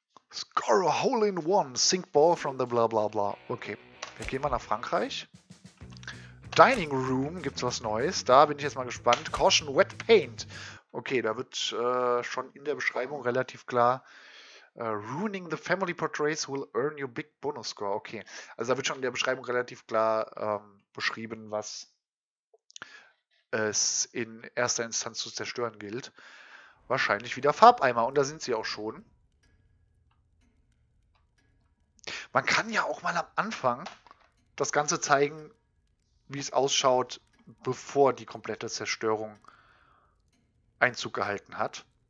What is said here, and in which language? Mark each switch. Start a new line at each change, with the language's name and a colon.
English: Score a hole in one. Sink ball from the bla bla bla.
German: Okay, wir gehen mal nach Frankreich. Dining Room, gibt's was Neues? Da bin ich jetzt mal gespannt. Caution Wet Paint. Okay, da wird schon in der Beschreibung relativ klar.
English: Ruining the Family Portraits will earn you big bonus score.
German: Okay, also da wird schon in der Beschreibung relativ klar beschrieben, was es in erster Instanz zu zerstören gilt. Wahrscheinlich wieder Farbeimer. Und da sind sie auch schon. Man kann ja auch mal am Anfang das Ganze zeigen, wie es ausschaut, bevor die komplette Zerstörung Einzug gehalten hat.